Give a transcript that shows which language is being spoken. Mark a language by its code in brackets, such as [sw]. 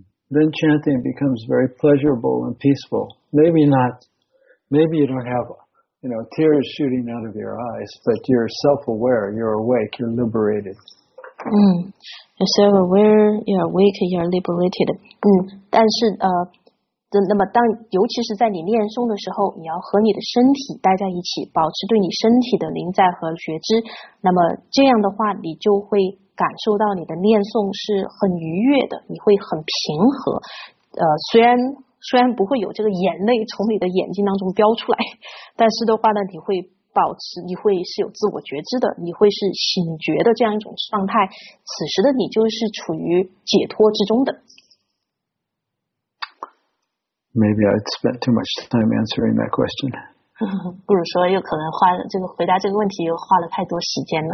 [en] Then chanting becomes very pleasurable and peaceful. Maybe not, maybe you don't have, you know, tears shooting out of your eyes, but you're self-aware, you're awake, you're liberated. You're self-aware, you're awake, you're liberated. [zh] 但是那么当尤其是在你念诵的时候，你要和你的身体待在一起，保持对你身体的临在和觉知。那么这样的话，你就会感受到你的念诵是很愉悦的，你会很平和。虽然不会有这个眼泪从你的眼睛当中飙出来，但是的话呢，你会保持，你会是有自我觉知的，你会是醒觉的这样一种状态。此时的你就是处于解脱之中的。 [en] Maybe I spent too much time answering that question. [zh] 不如说有可能花这个回答这个问题又花了太多时间了。